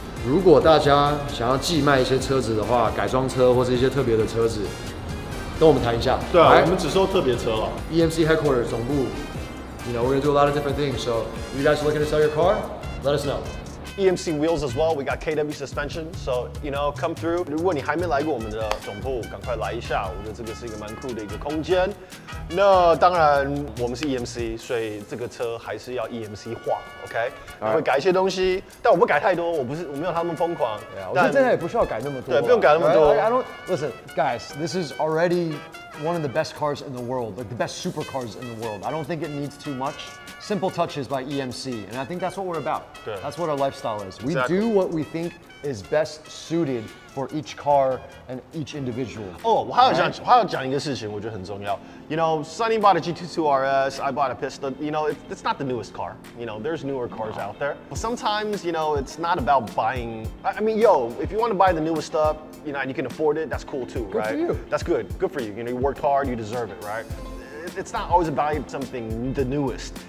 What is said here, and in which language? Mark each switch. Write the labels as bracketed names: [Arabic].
[Chinese] 如果大家想要寄卖一些车子的话, 改装车, 或是一些特别的车子, 跟我们谈一下, 对啊, [English] right? [Chinese] 我们只收特别车了。 [English] EMC Headquarters 总部, you know, we're gonna do a lot of different things, so if you guys are looking to sell your car, let us know. EMC Wheels as well, we got KW Suspension, so, you know, come through. [Chinese] 如果你还没来过我们的总部，赶快来一下, 我觉得这个是一个蛮酷的一个空间。那当然我们是EMC, 所以这个车还是要EMC化, OK? 会改一些东西, 但我不改太多, 我没有他那么疯狂。我觉得真的也不需要改那么多。对，不用改那么多。 [English] Listen, guys, this is already one of the best cars in the world, like the best supercars in the world. I don't think it needs too much. Simple touches by EMC, and I think that's what we're about. Good. That's what our lifestyle is. Exactly. We do what we think is best suited for each car and each individual. [Chinese] Oh, 我还要讲一个事情，我觉得很重要。 [English] You know, Sunny bought a G22 RS, I bought a Pista. You know, it's not the newest car. You know, there's newer cars out there. But sometimes, you know, it's not about buying. I mean, yo, if you want to buy the newest stuff, you know, and you can afford it, that's cool too, good right? Good for you. That's good. Good for you. You know, you worked hard, you deserve it, right? It's not always about something the newest.